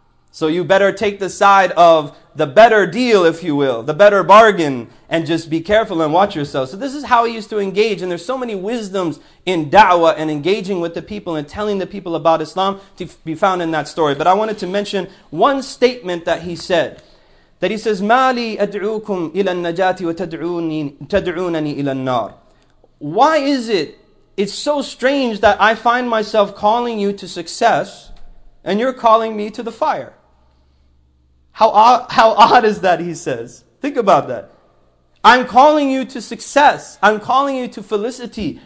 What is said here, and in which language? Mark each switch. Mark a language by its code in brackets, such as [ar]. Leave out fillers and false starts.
[en] So you better take the side of the better deal, if you will, the better bargain, and just be careful and watch yourself. So this is how he used to engage, and there's so many wisdoms in da'wah and engaging with the people and telling the people about Islam to be found in that story. But I wanted to mention one statement that he said. That he says, [ar] مَالِي أَدْعُوكُمْ إِلَى النَّجَاةِ وَتَدْعُونَنِي إِلَى النَّارِ. [en] Why is it, it's so strange that I find myself calling you to success and you're calling me to the fire. How odd is that, he says. Think about that. I'm calling you to success. I'm calling you to felicity.